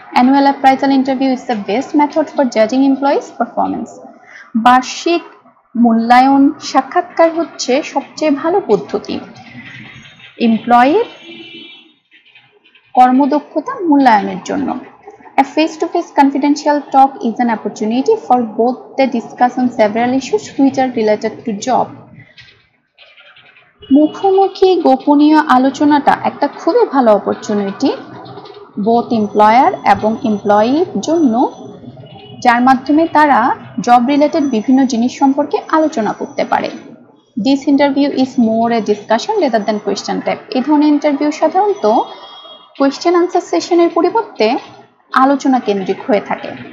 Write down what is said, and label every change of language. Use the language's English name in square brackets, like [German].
[English] Annual appraisal interview is the best method for জাজিং employees performance. [Bangla] বার্ষিক মূল্যায়ন সাক্ষাৎকার হচ্ছে সবচেয়ে ভালো পদ্ধতি এমপ্লয়ির কর্মদক্ষতা মূল্যায়নের জন্য। [English] A face-to-face confidential talk is an opportunity for both to discuss on several issues which are related to job. [Bangla] মুখোমুখি গোপনীয় আলোচনাটা একটা খুবই ভালো অপরচুনিটি বোথ এমপ্লয়ার এবং এমপ্লয়ির জন্য, যার মাধ্যমে তারা জব রিলেটেড বিভিন্ন জিনিস সম্পর্কে আলোচনা করতে পারে। [English] This interview is more a discussion rather than question type. [Bangla] এই ধরনের ইন্টারভিউ সাধারণত কোয়েশ্চেন আনসার সেশনের পরিবর্তে আলোচনা কেন্দ্রিক হয়ে থাকে।